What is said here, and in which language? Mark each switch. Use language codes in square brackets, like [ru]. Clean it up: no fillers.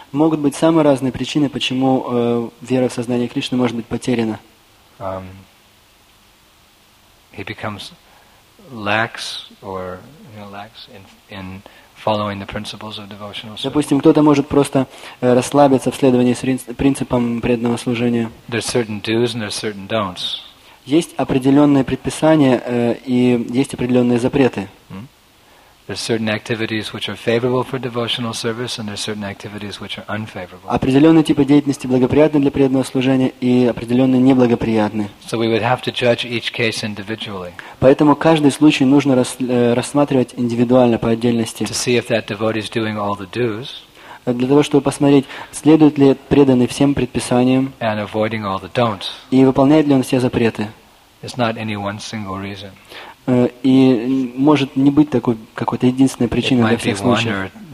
[ru] Могут быть самые разные причины, почему вера в сознание Кришны может быть потеряна. [en] He becomes lax or lax in following the principles of devotional service. [ru] Допустим, кто-то может просто расслабиться в следовании принципам преданного служения. [en] There are certain do's and there are certain don'ts. [ru] Есть определенные предписания и есть определенные запреты. [en] There are certain activities which are favorable for devotional service, and there are certain activities which are unfavorable. [ru] Определенные типы деятельности благоприятны для преданного служения и определенные неблагоприятны. [en] So we would have to judge each case individually. [ru] Поэтому каждый случай нужно рассматривать индивидуально по отдельности. [en] To see if that devotee is doing all the dues. [ru] Для того, чтобы посмотреть, следует ли преданный всем предписаниям [en] and avoiding all the don'ts. [ru] И выполняет ли он все запреты. [en] It's not any one single reason. [ru] И может не быть такой какой-то единственной причиной для всех случаев.